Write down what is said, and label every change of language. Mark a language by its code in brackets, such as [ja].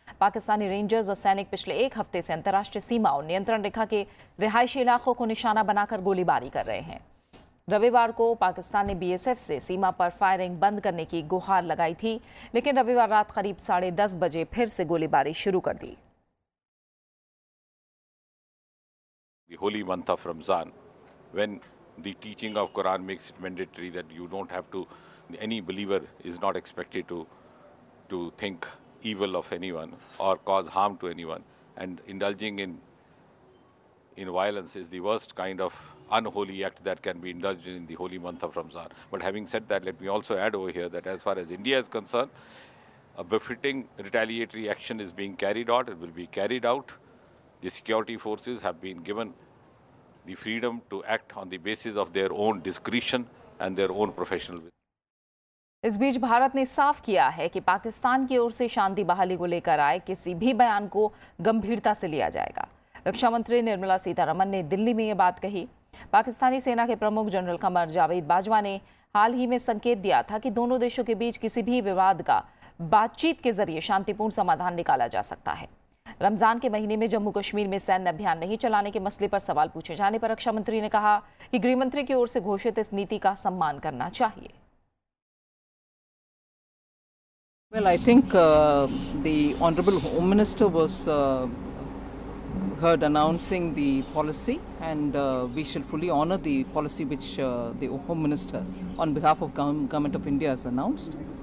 [hi] Pakistani rangers और सैनिक पिछले एक हफ्ते से अंतर्राष्ट्रीय सीमा और नियंत्रण रेखा के रिहायशी इलाकों को निशाना बनाकर गोलीबारी कर रहे हैं। रविवार को पाकिस्तान ने बीएसएफ से सीमा पर फायरिंग बंद करने की गुहार लगाई थी, लेकिन रविवार रात करीब 10:30 बजे फिर से गोलीबारी शुरू कर दी। [en] Holy month of Ramzan when the teaching of Quran makes it mandatory that you don't have to, any believer is not expected to think evil of anyone or cause harm to anyone, and indulging in violence is the worst kind of unholy act that can be indulged in the holy month of Ramzan. But having said that, let me also add over here that as far as India is concerned, a befitting retaliatory action is being carried out, it will be carried out. The security forces have been given the freedom to act on the basis of their own discretion and their own professional. [hi] इस बीच भारत ने साफ किया है कि पाकिस्तान की ओर से शांति बहाली को लेकर आए किसी भी बयान को गंभीरता से लिया जाएगा। रक्षा मंत्री निर्मला सीतारमन ने दिल्ली में यह बात कही। पाकिस्तानी सेना के प्रमुख जनरल कमर जावेद बाजवा ने हाल ही में संकेत दिया था कि दोनों देशों के बीच किसी भी विवाद का बातचीत के जरिए शांतिपूर्ण समाधान निकाला जा सकता है। रमजान के महीने में जम्मू कश्मीर में सैन्य अभियान नहीं चलाने के मसले पर सवाल पूछे जाने पर रक्षा मंत्री ने कहा कि गृहमंत्री की ओर से घोषित इस नीति का सम्मान करना चाहिए। [en] Well, I think the Honorable Home Minister was heard announcing the policy, and we shall fully honor the policy which the Home Minister, on behalf of Government of India, has announced.